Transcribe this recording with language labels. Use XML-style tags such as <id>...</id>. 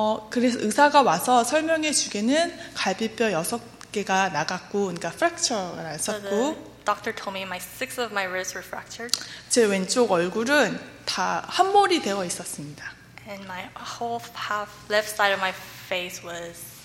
<ko>그래서 의사가 와서 설명해 주기는 갈비뼈 6개가 나갔고 그러니까 fracture가 났었고</ko> <en>Doctor told me my 6 of my ribs were fractured.</en> <ko>제 왼쪽 얼굴은 다 한 몰이 되어 있었습니다.</ko> <en>And my whole half left side of my face was</en>